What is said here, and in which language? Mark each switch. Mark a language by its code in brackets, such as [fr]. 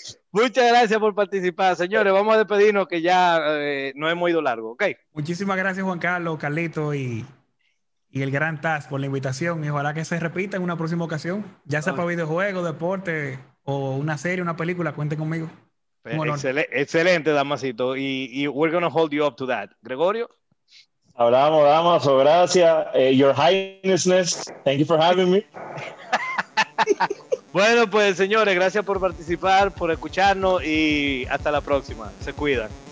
[es] Muchas gracias por participar, señores. Vamos a despedirnos que ya no hemos ido largo, ¿ok? Muchísimas gracias, Juan Carlos, Carlito y el gran Taz por la invitación. Y ojalá que se repita en una próxima ocasión, ya sea para videojuegos, deporte o una serie, una película. Cuenten conmigo. Excelente, Damasito. [en] Y we're going to hold you up to that, Gregorio. [es] Hablamos, damas, o gracias. [en] Your Highnessness, thank you for having me. [es] Bueno, pues señores, gracias por participar, por escucharnos y hasta la próxima. Se cuidan.